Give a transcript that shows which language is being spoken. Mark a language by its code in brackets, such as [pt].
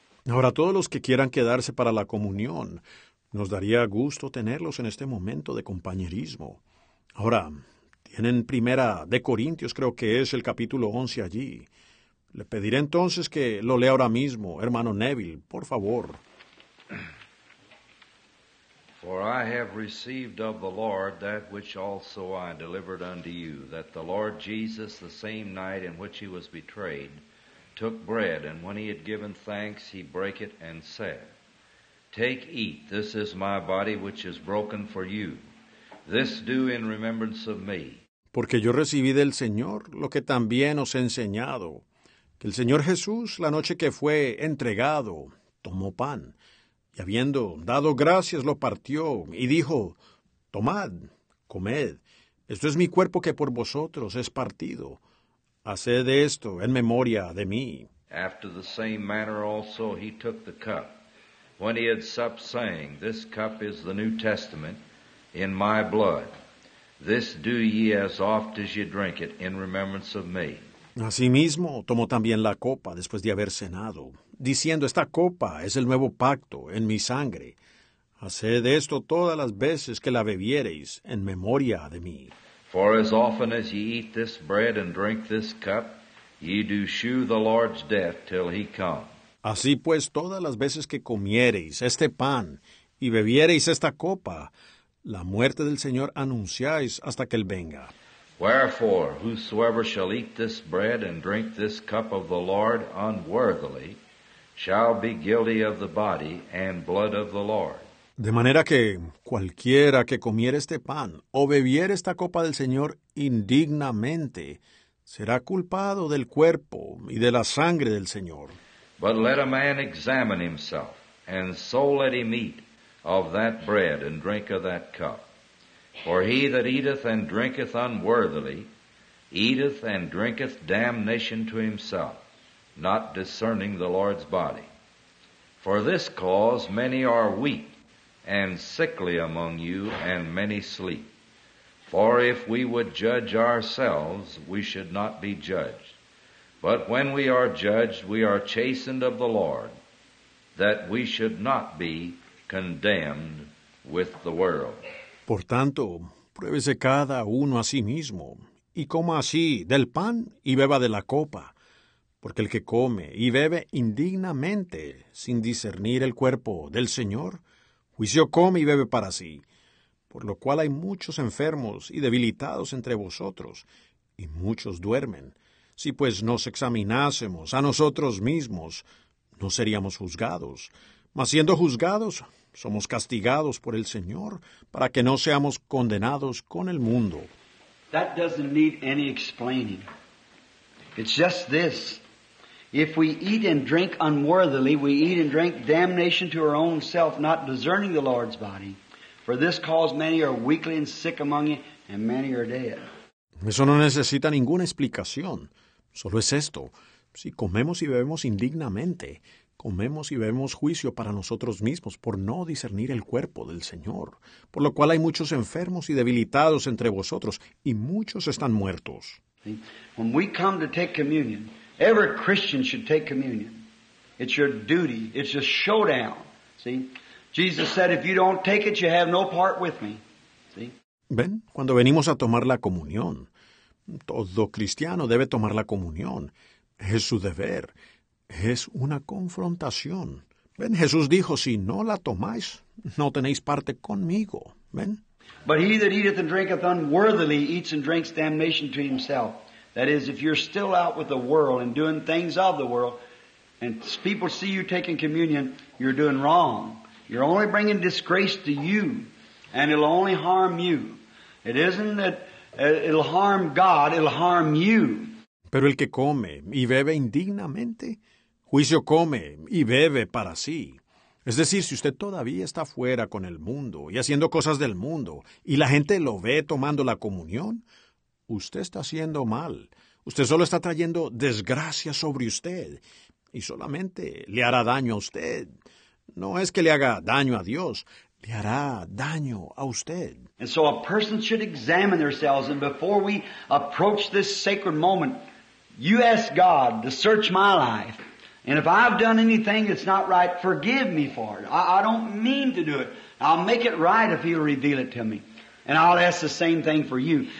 [es] Ahora, todos los que quieran quedarse para la comunión, nos daría gusto tenerlos en este momento de compañerismo. Ahora, tienen primera de Corintios, creo que es el capítulo 11 allí. Le pediré entonces que lo lea ahora mismo, hermano Neville, por favor. [en] For I have received of the Lord that which also I delivered unto you, that the Lord Jesus, the same night in which he was betrayed, took bread, and when he had given thanks, he brake it and said, Take, eat, this is my body which is broken for you. This do in remembrance of me. [es] Porque yo recibí del Señor lo que también os he enseñado, que el Señor Jesús, la noche que fue entregado, tomó pan, y habiendo dado gracias, lo partió, y dijo, Tomad, comed, esto es mi cuerpo que por vosotros es partido. Haced esto en memoria de mí. [en] After the same manner also he took the cup, when he had supped, saying, This cup is the New Testament in my blood. This do ye as oft as ye drink it in remembrance of me. [es] Asimismo, tomó también la copa después de haber cenado, diciendo, Esta copa es el nuevo pacto en mi sangre. Haced esto todas las veces que la bebiereis en memoria de mí. [en] For as often as ye eat this bread and drink this cup, ye do shew the Lord's death till he come. [es] Así pues, todas las veces que comiereis este pan y bebiereis esta copa, la muerte del Señor anunciáis hasta que Él venga. [en] Wherefore, whosoever shall eat this bread and drink this cup of the Lord unworthily shall be guilty of the body and blood of the Lord. [es] De manera que cualquiera que comiere este pan o bebiere esta copa del Señor indignamente será culpado del cuerpo y de la sangre del Señor. [en] But let a man examine himself, and so let him eat of that bread and drink of that cup. For he that eateth and drinketh unworthily, eateth and drinketh damnation to himself, not discerning the Lord's body. For this cause many are weak, and sickly among you, and many sleep. For if we would judge ourselves, we should not be judged. But when we are judged, we are chastened of the Lord, that we should not be condemned with the world. [es] Por tanto, pruébese cada uno a sí mismo, y coma así del pan y beba de la copa. Porque el que come y bebe indignamente, sin discernir el cuerpo del Señor, juicio come y bebe para sí, por lo cual hay muchos enfermos y debilitados entre vosotros, y muchos duermen. Si pues nos examinásemos a nosotros mismos, no seríamos juzgados. Mas siendo juzgados, somos castigados por el Señor, para que no seamos condenados con el mundo. [en] That doesn't need any explaining. It's just this. If we eat and drink unworthily, we eat and drink damnation to our own self, not discerning the Lord's body. For this cause many are weakly and sick among you, and many are dead. [es] Eso no necesita ninguna explicación. Solo es esto. Si comemos y bebemos indignamente, comemos y bebemos juicio para nosotros mismos por no discernir el cuerpo del Señor, por lo cual hay muchos enfermos y debilitados entre vosotros, y muchos están muertos. [en] When we come to take communion, every Christian should take communion. It's your duty. It's a showdown. See? Jesus said, if you don't take it, you have no part with me. See? [es] Ven, cuando venimos a tomar la comunión, todo cristiano debe tomar la comunión. Es su deber. Es una confrontación. Ven, Jesús dijo, si no la tomáis, no tenéis parte conmigo. Ven. [en] But he that eateth and drinketh unworthily eats and drinks damnation to himself. That is, if you're still out with the world and doing things of the world, and people see you taking communion, you're doing wrong. You're only bringing disgrace to you, and it'll only harm you. It isn't that it'll harm God, it'll harm you. [es] Pero el que come y bebe indignamente, juicio come y bebe para sí. Es decir, si usted todavía está fuera con el mundo y haciendo cosas del mundo, y la gente lo ve tomando la comunión, usted está haciendo mal. Usted solo está trayendo desgracia sobre usted y solamente le hará daño a usted. No es que le haga daño a Dios, le hará daño a usted. [en] And so a person should examine themselves, and before we approach this sacred moment, you ask God to search my life And if I've done anything that's not right, forgive me for it. I don't mean to do it. I'll make it right if He'll reveal it to me. And I'll ask the same thing for you.